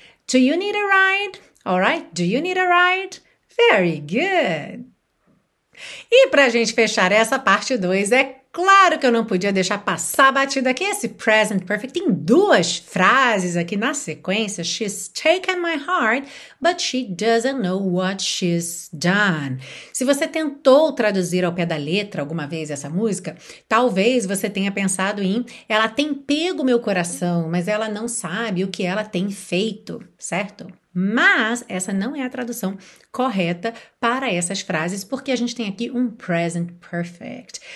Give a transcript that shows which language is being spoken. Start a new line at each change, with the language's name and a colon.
English: Do you need a ride? All right. Do you need a ride? Very good.
Portuguese: E para a gente fechar essa parte 2, é claro que eu não podia deixar passar batido aqui esse present perfect em duas frases aqui na sequência.
English: She's taken my heart, but she doesn't know what she's done.
Portuguese: Se você tentou traduzir ao pé da letra alguma vez essa música, talvez você tenha pensado em ela tem pego meu coração, mas ela não sabe o que ela tem feito, certo? Mas essa não é a tradução correta para essas frases, porque a gente tem aqui um present perfect.